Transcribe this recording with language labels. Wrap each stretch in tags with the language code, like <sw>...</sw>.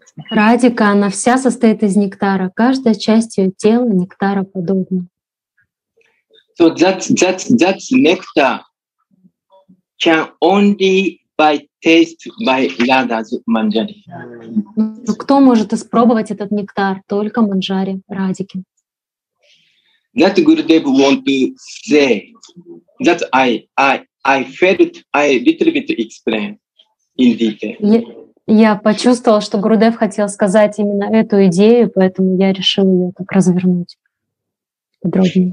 <ru>Радика, она вся состоит из нектара. Каждая часть ее тела нектара подобна.</ru> <en>So that nectar can only by taste by Radha's Manjari.</en> <ru>Кто может испробовать этот нектар? Только Манджари, Радики.</ru> <en>That Gurudev want to say that I felt I little bit explain in detail.</en> <ru>Я почувствовал, что Гурудев хотел сказать именно эту идею, поэтому я решил ее так развернуть подробнее.</ru>